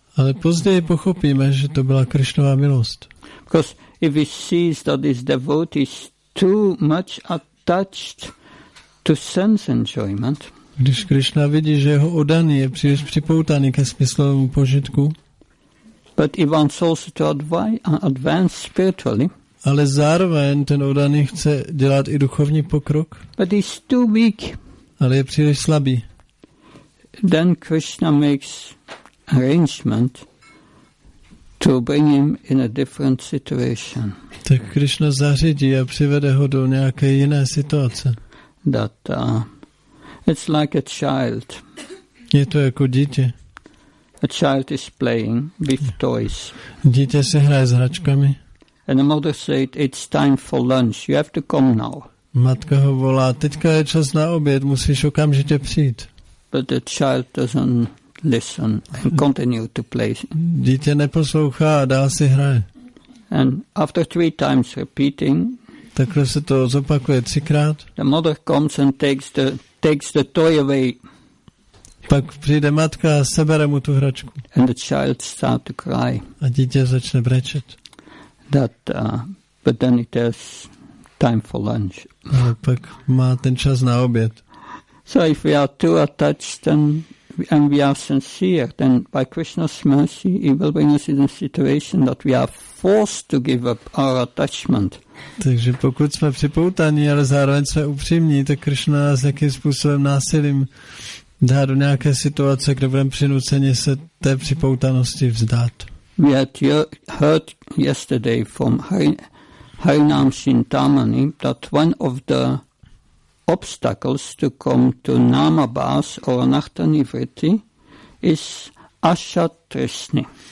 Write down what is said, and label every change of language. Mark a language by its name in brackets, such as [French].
[Czech] Ale později pochopíme, že to byla Krishnova milost. [English] Because if he sees that his devotee is too much attached to sense enjoyment. [Czech] Když Krishna vidí, že jeho oddaný je příliš připoutaný ke smyslovému požitku. [English] But he wants also to advance spiritually. [Czech] Ale zároveň ten oddaný chce dělat i duchovní pokrok. [English] But he's too weak. [Czech] Ale je příliš slabý. [English] Then Krishna makes arrangement to bring him in a different situation. [Czech] Tak Krishna zařídí a přivede ho do nějaké jiné situace. [English] That it's like a child. [Czech] Je to jako dítě. [English] A child is playing with toys. [Czech] Dítě se hraje s hračkami. [English] And the mother said, it's time for lunch, you have to come now. [Czech] Matka ho volá, teďka je čas na oběd, musíš okamžitě přijít. [English] But the child doesn't listen and continue to play. [Czech] Dítě neposlouchá a dál si hraje. [English] And after three times repeating, [Czech] takhle se to zopakuje třikrát, [English] the mother comes and takes the toy away. [Czech] Pak přijde matka a sebere mu tu hračku. [English] And the child starts to cry. [Czech] A dítě začne brečet. [English] That, but then it has time for lunch. [Czech] A pak má ten čas na oběd. [English] So if we are too attached and we are sincere, then by Krishna's mercy, he will bring us in a situation that we are forced to give up our attachment. [Czech] Takže pokud jsme připoutaní, ale zároveň jsme upřímní, tak Krishna nás jakým způsobem násilím dá do nějaké situace, kde budeme přinuceni se té připoutanosti vzdát. [English] We had heard yesterday from Harinam Chintamani that one of the obstacles to come to Namabas or Anartanivriti is Asha Trishni.